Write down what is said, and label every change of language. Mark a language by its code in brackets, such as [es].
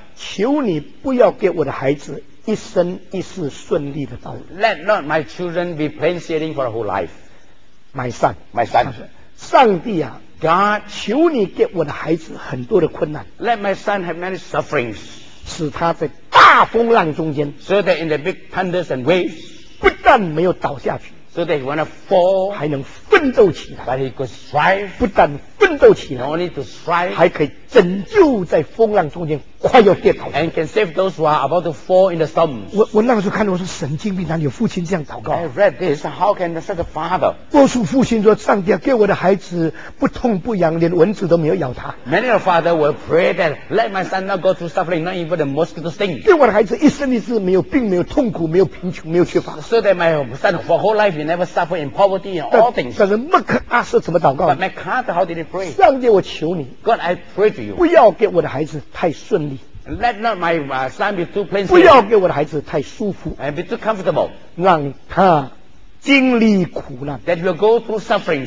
[zh] 求你不要给我的孩子。一生一世顺利的道路。 [en] Let not my children be plain sailing for a whole life. My son. [zh] 上帝啊 [en] ，God， [zh] 求你给我的孩子很多的困难。 [en] Let my son have many sufferings. [zh] 使他在大风浪中间 [en] ，so that in the big thunders and waves， [zh] 不但没有倒下去 [en] ，so that he won't fall， [zh] 还能奋斗起来 [en] ，but he could strive， [zh] 不但奋斗起来 [en] ，only to strive， [zh] 还可以拯救在风浪中间。快要跌倒 [en] and can save those who are about to fall in the storms [zh] 我那个时候看到我说神经病哪里有父亲这样祷告 [en] I read this how can such a father [zh] 多数父亲说上帝给我的孩子不痛不痒连蚊子都没有咬他 [en] many of father will pray that let my son not go through suffering not even the mosquito sting [zh] 给我的孩子一生一世没有病没有痛苦没有贫穷没有缺乏 [en] so that my son for whole life he never suffer in poverty and all things [zh] 但是麦克阿瑟怎么祷告 [en] but MacArthur how did he pray [zh] 上帝我求你 [en] God I pray to you [zh] 不要给我的孩子太顺利 [en] Let not my son be too plain. [zh] 不要给我的孩子太舒服 [en] and be too comfortable. [zh] 让他经历苦难 [en] that will go through suffering.